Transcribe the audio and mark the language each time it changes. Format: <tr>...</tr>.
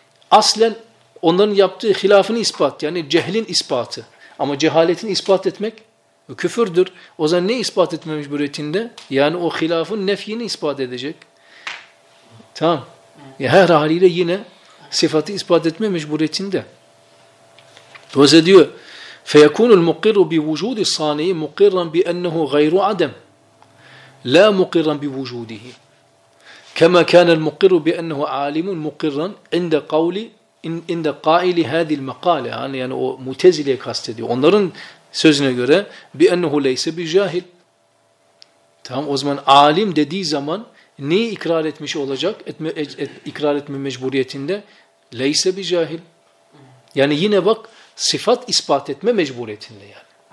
<tr>Aslen onların yaptığı hilafını ispat yani cehlin ispatı. Ama cehaletini ispat etmek küfürdür. O zaman ne ispat etme mecburiyetinde? Yani o hilafın nefyini ispat edecek. Tamam. Ya her haliyle yine sıfatı ispat etme mecburiyetinde.</tr> <ar>Dolayısıyla diyor, فَيَكُونُ الْمُقِرُ بِوُجُودِ الصَّانِيِ مُقِرًا بِأَنَّهُ غَيْرُ عَدَمْ لَا مُقِرًا بِوُجُودِهِ كَمَا كَانَ الْمُقِرُ بِأَنَّهُ عَالِمٌ مُقِرًا عِنْدَ قَوْلِ İnde qaili hadi makale</ar> <tr>yani o mutezileyi kastediyor. Onların sözüne göre</tr> <ar>bi ennehu leyse bi cahil.</ar> <tr>Tamam o zaman alim dediği zaman neyi ikrar etmiş olacak? İkrar etme mecburiyetinde</tr> <ar>leyse bi cahil.</ar> <tr>Yani yine bak sıfat ispat etme mecburiyetinde yani.</tr>